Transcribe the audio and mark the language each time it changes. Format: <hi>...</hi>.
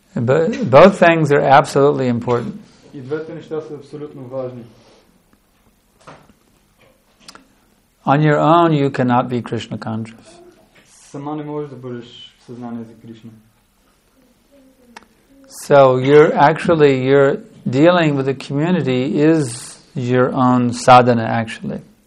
<en>But both things are absolutely important.</en> <bg>И двете неща са абсолютно важни.</bg> <en>On your own, you cannot be Krishna conscious.</en> <bg>Сама не можеш да бъдеш в съзнание за Кришна.</bg> <en>So you're dealing with the community is your own sadhana, actually.</en>